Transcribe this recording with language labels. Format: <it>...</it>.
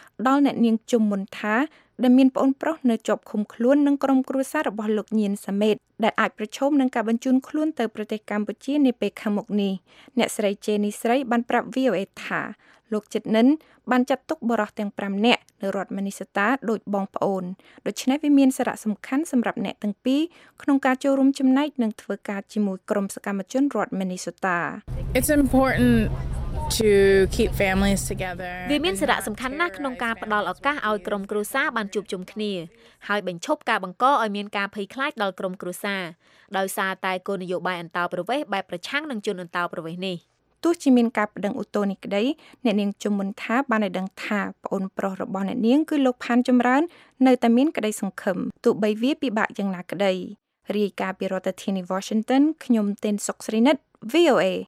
<km>ដល់អ្នកនាងជុំមុនថាដែលមានប្អូនប្រុសនៅជាប់ឃុំខ្លួននឹងក្រុមគ្រួសាររបស់លោកញៀនសាមេតដែលអាចប្រឈមនឹងការបញ្ជូនខ្លួនទៅប្រទេសកម្ពុជានាពេលខាងមុខនេះអ្នកស្រីជេនីស្រីបានប្រាប់ VOA ថាលោកចិត្តនិនបានចាត់ទុកបរិសុទ្ធទាំង5នាក់នៅរដ្ឋមីនីសូតាដូចបងប្អូនដូច្នេះវាមានសារៈសំខាន់សម្រាប់អ្នកទាំងពីរក្នុងការចូលរួមចំណែកនិងធ្វើការជាមួយក្រុមសកម្មជនរដ្ឋមីនីសូតា</km> <en>It's importantto keep families together</en> <km>វាមានសារៈសំខាន់ណាស់ក្នុងការផ្តល់ឱកាសឲ្យក្រុមគ្រួសារបានជួបជុំគ្នាហើយបញ្ឈប់ការបង្កឲ្យមានការភ័យខ្លាចដល់ក្រុមគ្រួសារដោយសារតែគោលនយោបាយអន្តរប្រទេសបែបប្រឆាំងនឹងជនអន្តរប្រទេសនេះ ទោះជាមានការប្តឹងឧទ្ធរណ៍នេះក្តីអ្នកនាងជំមុនថាបានឲ្យដឹងថាប្អូនប្រុសរបស់អ្នកនាងគឺលោកផានចម្រើននៅតែមានក្តីសង្ឃឹមទោះបីវាពិបាកយ៉ាងណាក្តីរាយការណ៍ពីរដ្ឋធានី Washington ខ្ញុំទិនសុកស្រីនិត VOA</km>